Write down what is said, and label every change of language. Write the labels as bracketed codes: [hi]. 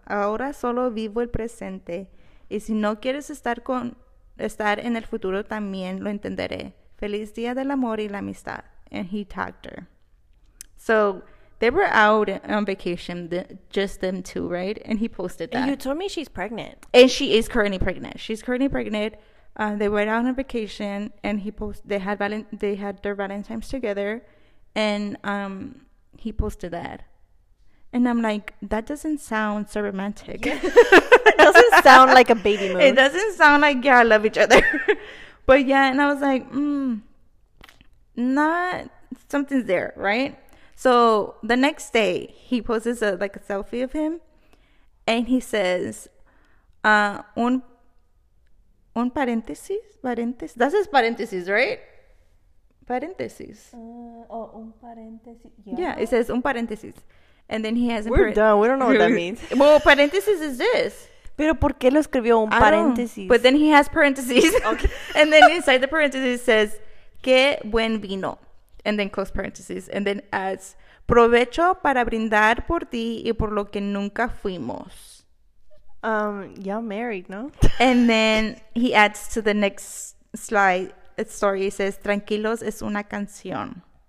[es] Ahora solo vivo el presente. Y si no quieres estar en el futuro, también lo entenderé. Feliz día del amor y la amistad. [en] And he tagged her. So they were out on vacation, just them two, right? And he posted that. And you told me she's pregnant. And she is currently pregnant. She's currently pregnant. They went out on vacation, and they had their Valentine's together, and he posted that. And I'm like, that doesn't sound so romantic. It doesn't sound like a baby move. It doesn't sound like, yeah, I love each other. But yeah, and I was like, not something's there, right? So the next day, he poses a selfie of him, and he says, [es] un paréntesis, paréntesis. [en] That says paréntesis, right? Paréntesis. [es] Un paréntesis. Yeah. [en] It says [es] un paréntesis. [en] And then he has done. We don't know what that means. Well, paréntesis is this. [es] Pero ¿por qué lo escribió un paréntesis? [en] But then he has parentheses. Okay. And then inside the parentheses says, [es] qué buen vino. [en] And then close parentheses. And then adds, [es] provecho para brindar por ti y por lo que nunca fuimos. [en] Y'all married, no? And then he adds to the next slide, a story. He says, [es] tranquilos es una canción.